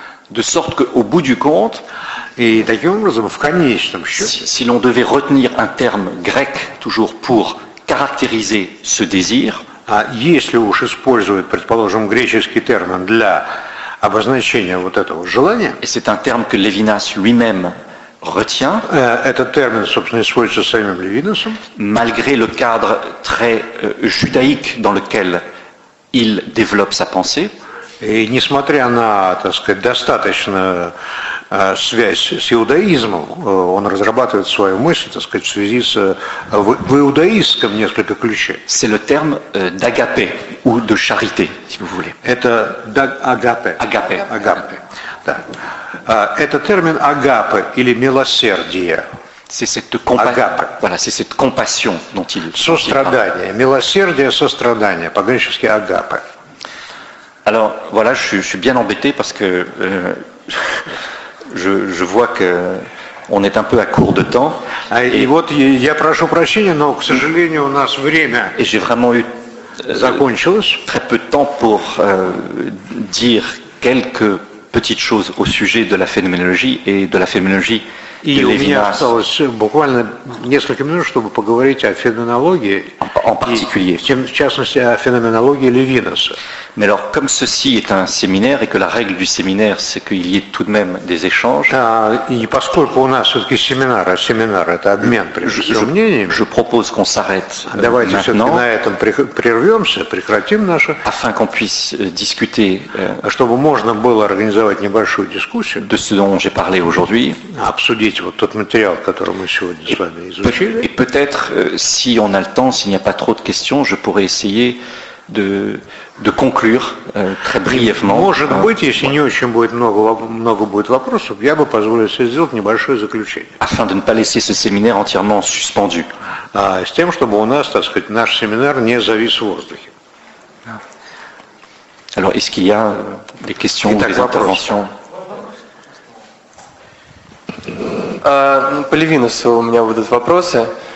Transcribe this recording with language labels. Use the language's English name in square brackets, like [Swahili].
[French] De sorte que, au bout du compte, [Russian] и таким образом, в конечном счете, [French] si l'on devait retenir un terme grec toujours pour caractériser ce désir, [Russian] а если уж использовать, предположим, греческий термин для обозначения вот этого желания, [French] et c'est un terme que Levinas lui-même retient, [Russian] этот термин, собственно, используется самим Левинасом, [French] malgré le cadre très judaïque dans lequel il développe sa pensée. Et [Russian] несмотря на, так сказать, достаточно связь с иудаизмом, он разрабатывает свою мысль, так сказать, в связи с иудаистском несколько ключей. [French] C'est le terme d'agapé ou de charité, si vous voulez. [Russian] Это агапе. Агапе. Агапе. Да. Это термин агапе или милосердие. [French] C'est cette compassion. Voilà, c'est cette compassion dont il parle. [Russian] Сострадание, милосердие, сострадание, по-гречески агапе. [French] Alors, voilà, je suis bien embêté parce que je vois que on est un peu à court de temps. Et [Russian] вот я прошу прощения, но, к сожалению, у нас время. [French] Et j'ai vraiment eu très peu de temps pour dire quelques petites choses au sujet de la phénoménologie et de la phénoménologie. [Russian] И у меня осталось буквально несколько минут, чтобы поговорить о феноменологии, [French] en particulier. [Russian] И, в частности, о феноменологии Левинаса. [French] Mais alors, comme ceci est un séminaire et que la règle du séminaire, c'est qu'il y ait tout de même des échanges, [Russian] и поскольку у нас все-таки семинар, а семинар это обмен мнениями, [French] je propose qu'on s'arrête [Russian] давайте [French] maintenant, [Russian] на этом прервемся, прекратим наше, [French] afin qu'on puisse discuter, [Russian] чтобы можно было организовать небольшую дискуссию, [French] de ce dont j'ai parlé aujourd'hui, [Russian] обсудить вот тот материал, который мы сегодня с вами изучили. [French] Et peut-être, si on a le temps, s'il n'y a pas trop de questions, je pourrais essayer de conclure très brièvement. [Russian] Может быть, если не очень будет много будет вопросов, я бы позволил себе сделать небольшое заключение. [French] Afin de ne pas laisser ce séminaire entièrement suspendu. [Russian] С тем, чтобы у нас, так сказать, наш семинар не завис в воздухе. [French] Alors, est-ce qu'il y a des questions ou des interventions? [Russian] По Левинасу у меня будут вопросы.